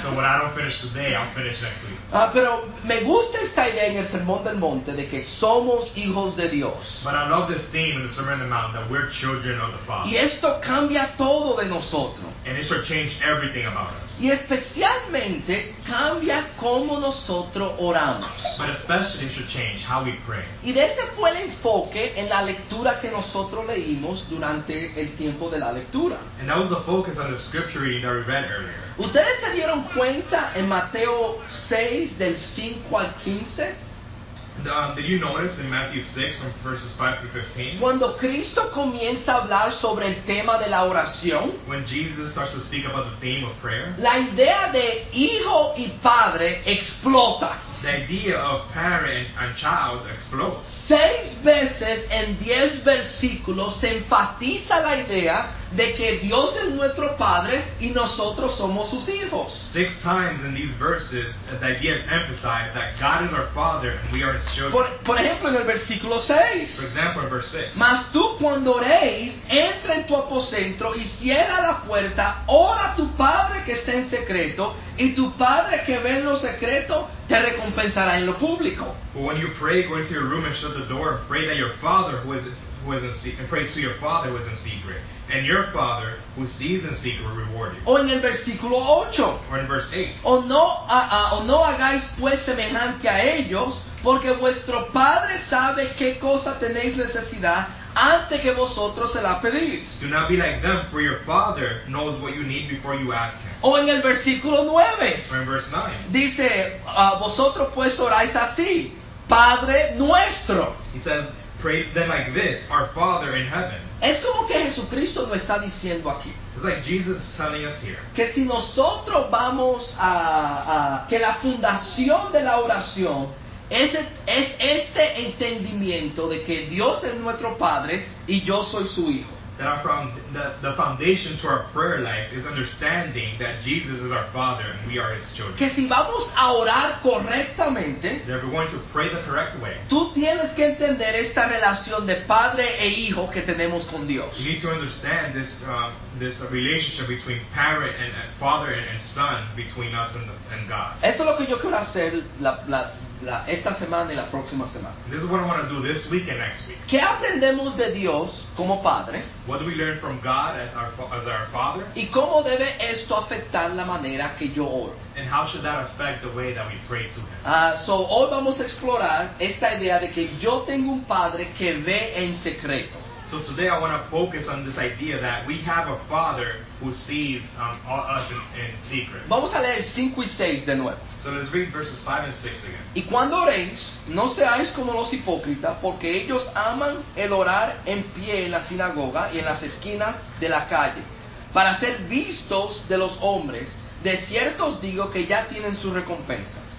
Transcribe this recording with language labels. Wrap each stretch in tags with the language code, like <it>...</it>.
<en>So what I don't finish today, I'll finish next week.</en> <es>Pero me gusta esta idea en el Sermón del Monte de que somos hijos de Dios.</es> <en>But I love this theme in the Sermon on the Mount that we're children of the Father.</en> <es>Y esto cambia todo de nosotros.</es> <en>And it should change everything about us.</en> <es>Y especialmente cambia cómo nosotros oramos.</es> <en>But especially it should change how we pray.</en> <es>Y de ese fue el enfoque en la lectura que nosotros leímos durante el tiempo de la lectura.</es> <en>And that was the focus on the scripture reading that we read earlier.</en> <es>¿Ustedes se dieron cuenta en Mateo 6 del 5 al 15?</es> <en>Did you notice in Matthew 6 from verses 5 through 15?</en> <es>Cuando Cristo comienza a hablar sobre el tema de la oración,</es> <en>when Jesus starts to speak about the theme of prayer,</en> <es>la idea de hijo y padre explota.</es> <en>The idea of parent and child explodes.</en> <es>6 veces en 10 versículos se enfatiza la idea de que Dios es nuestro padre y nosotros somos sus hijos.</es> <en>6 times in these verses the idea is emphasized that God is our father and we are his children.</en> <es>Por ejemplo en el versículo 6.</es> <en>For example in verse 6.</en> <es>Mas tú cuando oréis, entra en tu aposento y cierra la puerta, ora a tu padre que está en secreto y tu padre que ve en lo secreto te recompensará en lo público.</es> <en>But when you pray, go into your room and shut the door and pray that your father who is in secret, and pray to your father who is in secret, and your father who sees in secret will reward you.</en> <es>O en el versículo 8.</es> <en>Or in verse 8.</en> <es>O no hagáis pues semejante a ellos, porque vuestro padre sabe qué cosa tenéis necesidad antes que vosotros se la pedís.</es> <en>Do not be like them, for your father knows what you need before you ask him.</en> <es>O en el versículo 9.</es> <en>Or in verse 9.</en> <es>Dice, vosotros pues oráis así, Padre nuestro.</es> <en>He says, pray then like this, our Father in heaven.</en> <es>Es como que Jesucristo nos está diciendo aquí.</es> <en>It's like Jesus is telling us here.</en> <es>Que si nosotros vamos a que la fundación de la oración es este entendimiento de que Dios es nuestro Padre y yo soy su Hijo.</es> <en>That our the foundation to our prayer life is understanding that Jesus is our Father and we are His children.</en> <es>Que si vamos a orar correctamente,</es> <en>that if we're going to pray the correct way,</en> <es>tú tienes que entender esta relación de padre e hijo que tenemos con Dios.</es> <en>You need to understand this this relationship between parent and father and son between us and God.</en> <es>Esto es lo que yo quiero hacer la esta semana y la próxima semana.</es> <en>This is what I want to do this week and next week.</en> <es>¿Qué aprendemos de Dios como padre?</es> <en>What do we learn from God as our father?</en> <es>¿Y cómo debe esto afectar la manera que yo oro?</es> <en>And how should that affect the way that we pray to him?</en> <es>So hoy vamos a explorar esta idea de que yo tengo un padre que ve en secreto.</es> <en>So today I want to focus on this idea that we have a father who sees us in secret.</en> <es>Vamos a leer 5 y 6 de nuevo.</es> <en>So let's read verses 5 and 6 again.</en> <es>Y cuando oréis, no seáis como los hipócritas, porque ellos aman el orar en pie en la sinagoga y en las esquinas de la calle, para ser vistos de los hombres. De cierto os digo que ya tienen su recompensa.</es>